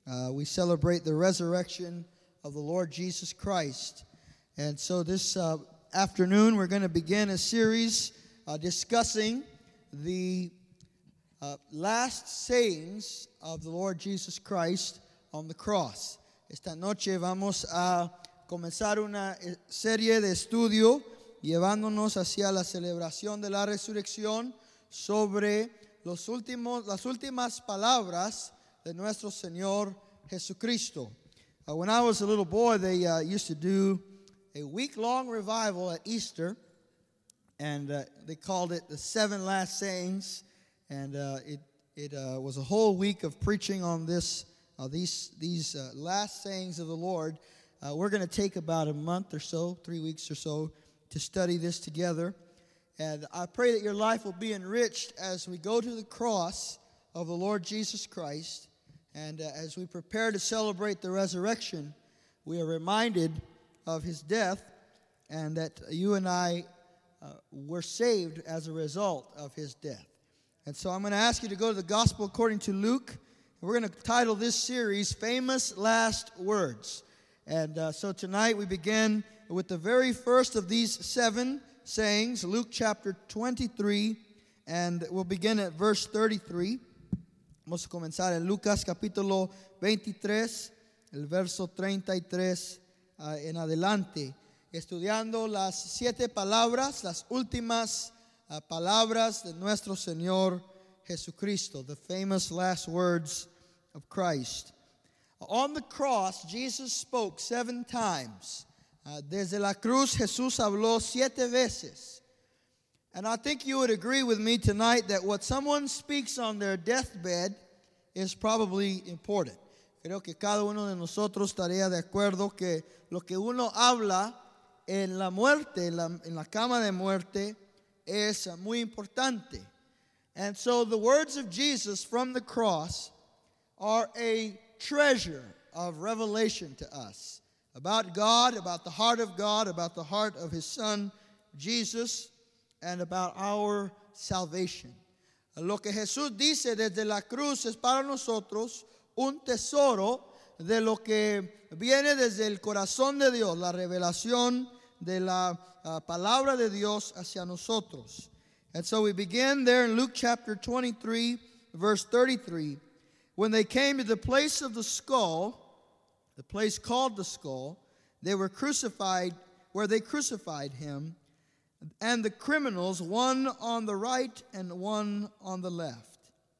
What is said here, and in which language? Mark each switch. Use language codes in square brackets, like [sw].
[en] We celebrate the resurrection of the Lord Jesus Christ. And so this afternoon we're going to begin a series discussing the last sayings of the Lord Jesus Christ on the cross. [es] Esta noche vamos a comenzar una serie de estudio llevándonos hacia la celebración de la resurrección sobre las últimas palabras de nuestro Señor Jesucristo. [en] When I was a little boy, they used to do a week-long revival at Easter, and they called it the Seven Last Sayings. And it was a whole week of preaching on this last sayings of the Lord. We're going to take about a month or so, 3 weeks or so, to study this together. And I pray that your life will be enriched as we go to the cross of the Lord Jesus Christ. And as we prepare to celebrate the resurrection, we are reminded of his death and that you and I were saved as a result of his death. And so I'm going to ask you to go to the Gospel according to Luke. We're going to title this series, Famous Last Words. And so tonight we begin with the very first of these seven sayings, Luke chapter 23, and we'll begin at verse 33. [es] Vamos a comenzar en Lucas capítulo 23, el verso 33 en adelante. Estudiando las siete palabras, las últimas palabras de nuestro Señor Jesucristo, [en] the famous last words of Christ. On the cross, Jesus spoke seven times. [es] Desde la cruz, Jesús habló siete veces. [en] And I think you would agree with me tonight that what someone speaks on their deathbed is probably important. [es] Creo que cada uno de nosotros estaría de acuerdo que lo que uno habla en la muerte, en la cama de muerte, es muy importante. [en] And so the words of Jesus from the cross are a treasure of revelation to us about God, about the heart of God, about the heart of his son Jesus, and about our salvation. [es] Lo que Jesús dice desde la cruz es para nosotros un tesoro de lo que viene desde el corazón de Dios, la revelación de la palabra de Dios hacia nosotros. [en] And so we begin there in Luke chapter 23, verse 33. When they came to the place of the skull, the place called the skull, they were crucified, where they crucified him, and the criminals, one on the right and one on the left.